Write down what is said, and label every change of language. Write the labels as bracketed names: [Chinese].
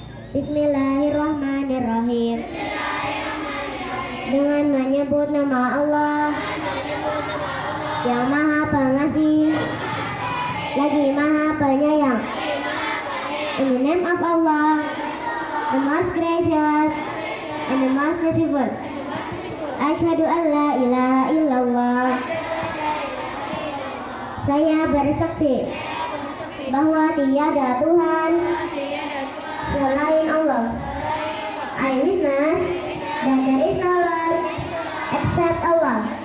[Arabic] Bismillahirrahmanirrahim. [Indonesian] Dengan menyebut nama Allah yang Maha Pengasih lagi Maha Penyayang. [English] In the name of Allah, the most gracious and the most merciful. [Arabic] Asyhadu an la ilaha illallah. [Indonesian] Saya bersaksi bahwa tiada Tuhan selain Allah. [English] I witness that there is no Lord except Allah.